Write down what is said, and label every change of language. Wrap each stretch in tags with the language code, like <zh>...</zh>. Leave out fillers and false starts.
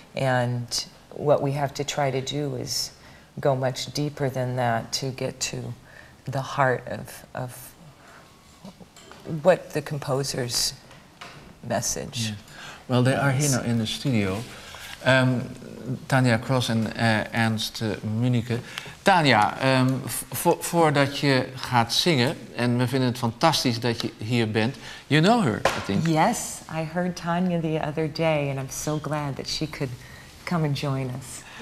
<en>And what we have to try to do is go much deeper than that to get to the heart of what the composer's message. Yeah. Well, they are here now in the studio.</en> <nl>Tanya Cross en Ernst Munike. Tanya, voordat je gaat zingen, en we vinden het fantastisch dat je hier bent,</nl> <en>you know her, I think. Yes, I heard Tanya the other day, and I'm so glad that she could come and join us.</en>